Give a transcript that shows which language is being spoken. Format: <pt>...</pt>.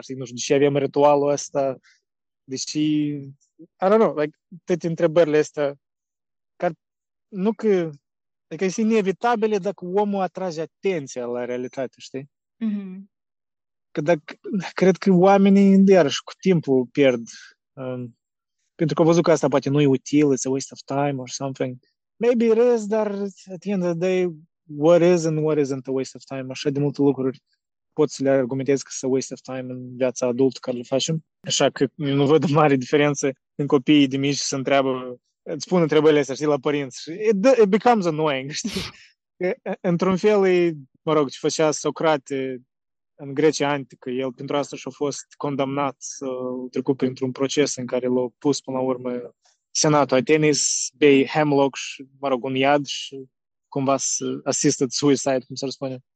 <ro>Știi, nu știu, de ce avem ritualul ăsta? De ce...</ro> <en>I don't know, like,</en> <ro>toate întrebările astea, care nu că... Adică, sunt inevitabile dacă omul atrage atenția la realitate, știi? Mhm. Că dacă, cred că oamenii iarăși cu timpul pierd. Pentru că au văzut că asta poate nu e util,</ro> <en>it's a waste of time or something. Maybe it is,</en> <ro>dar</ro> <en>at the end of the day, what is and what isn't a waste of time?</en> <ro>Așa de multe lucruri pot să le argumentez că sunt</ro> <en>a waste of time</en> <ro>în viața adultă care le facem. Așa că eu nu văd mare diferență în copiii de mici și se întreabă, îți spun întrebările astea, știi, la părinți.</ro> <en>It becomes annoying,</en> <ro>știi? Într-un fel, mă rog, ce făcea Socrate în Grecia antică, el pentru asta și-a fost condamnat, trecut printr-un proces în care l-a pus până la urmă senatul Atenei să bei hemlock și, mă rog, un iad și cumva să</ro> <en>assisted suicide,</en> <ro>cum s-ar spune.</ro>